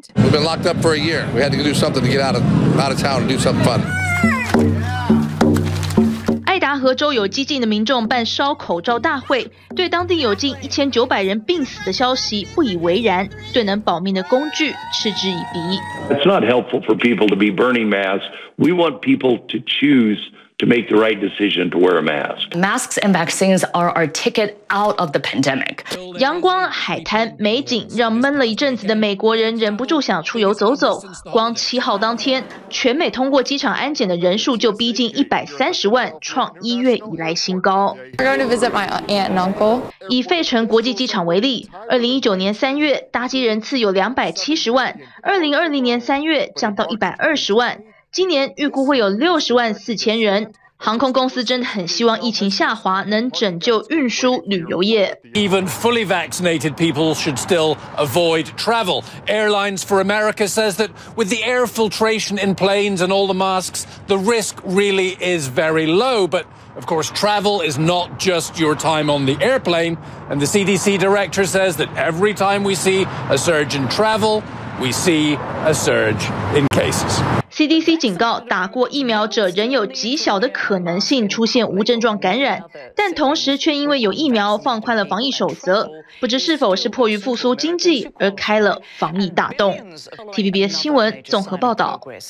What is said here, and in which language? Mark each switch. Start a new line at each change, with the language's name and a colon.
English: We've been locked up for a year. We had to do something to get out of town and do something fun.
Chinese: 爱达荷州有激进的民众办烧口罩大会，对当地有近1900人病死的消息不以为然，对能保命的工具嗤之以鼻。
English: It's not helpful for people to be burning masks. We want people to choose to make the right decision to wear a mask. Masks and vaccines are our ticket out of the pandemic.
Chinese: 阳光、海滩、美景，让闷了一阵子的美国人忍不住想出游走走。光7号当天，全美通过机场安检的人数就逼近130万，创1月以来新高。
English: We're going to visit my aunt and uncle.
Chinese: 以费城国际机场为例，2019年3月搭机人次有270万，2020年3月降到120万。今年预估会有64,000人。航空公司真的很希望疫情下滑，能拯救运输旅游业。
English: Even fully vaccinated people should still avoid travel. Airlines for America says that with the air filtration in planes and all the masks, the risk really is very low. But of course, travel is not just your time on the airplane. And the CDC director says that every time we see a surge in travel, we see a surge in cases.
Chinese: CDC 警告，打过疫苗者仍有极小的可能性出现无症状感染，但同时却因为有疫苗放宽了防疫守则，不知是否是迫于复苏经济而开了防疫大动。 TVBS 新闻综合报道。